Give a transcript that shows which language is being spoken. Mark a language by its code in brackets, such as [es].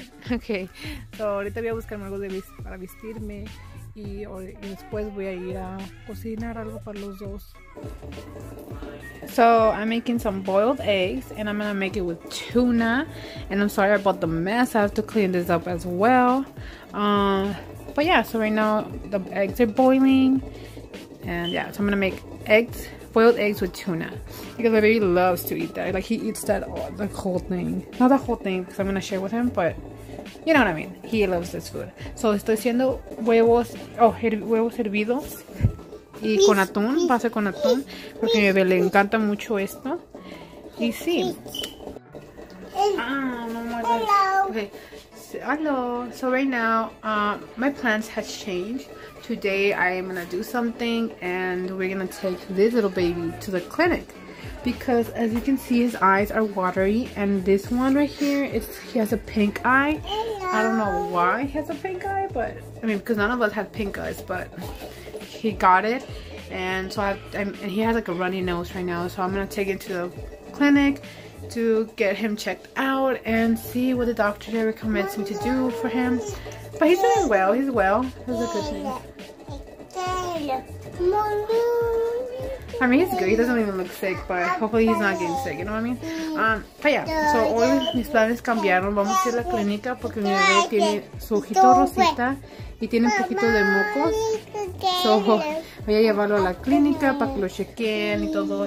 [es] Okay, so ahorita voy a buscarme algo de para vestirme y después voy a ir a cocinar algo para los dos. [en] So I'm making some boiled eggs and I'm gonna make it with tuna. And I'm sorry about the mess. I have to clean this up as well. But yeah, so right now the eggs are boiling and yeah, so I'm gonna make eggs, boiled eggs with tuna because my baby loves to eat that. Like he eats that the whole thing, not the whole thing because I'm gonna share with him, but. You know what I mean? He loves this food. [es] So, estoy haciendo huevos hervidos y con atún, va a ser con atún, porque a mi bebé le encanta mucho esto. Y sí. Ah, no más. [en] Hello. Okay. So, hello. So, right now, my plans has changed. Today, I am going to do something and we're going to take this little baby to the clinic. Because as you can see, his eyes are watery, and this one right here, he has a pink eye. Hello. I don't know why he has a pink eye, but I mean, because none of us have pink eyes, but he got it, and so and he has like a runny nose right now. So I'm gonna take him to the clinic to get him checked out and see what the doctor recommends me to do for him. But he's doing well. He's well. He's a good thing. I mean, he's good. He doesn't even look sick, but hopefully he's not getting sick, you know what I mean? [es] But yeah, so hoy mis planes cambiaron. Vamos a ir a la clínica porque mi bebé tiene su ojito rosita y tiene un poquito de moco. So, voy a llevarlo a la clínica para que lo chequen y todo.